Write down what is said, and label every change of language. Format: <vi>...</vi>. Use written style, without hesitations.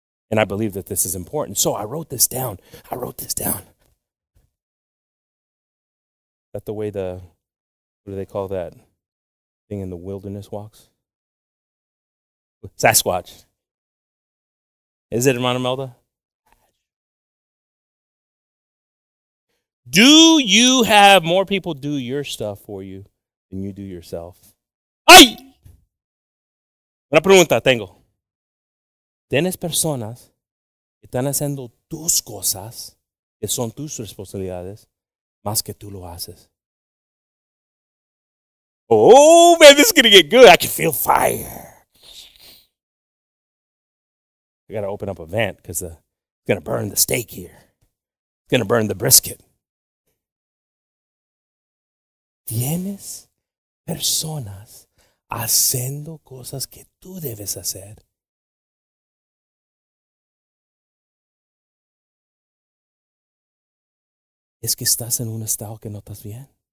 <en>And I believe that this is important. So I wrote this down. Is that the way what do they call that thing in the wilderness walks? Sasquatch. Is it, Hermana Melda? Do you have more people do your stuff for you than you do yourself?</en> <es>¡Ay! Una pregunta tengo. ¿Tienes personas que están haciendo tus cosas, que son tus responsabilidades, más que tú lo haces?</es> <en>Oh, man, this is going to get good. I can feel fire. I got to open up a vent because it's going to burn the steak here. It's going to burn the brisket.</en> <es>Tienes personas haciendo cosas que tú debes hacer. Es que estás en un estado que no estás bien.</es>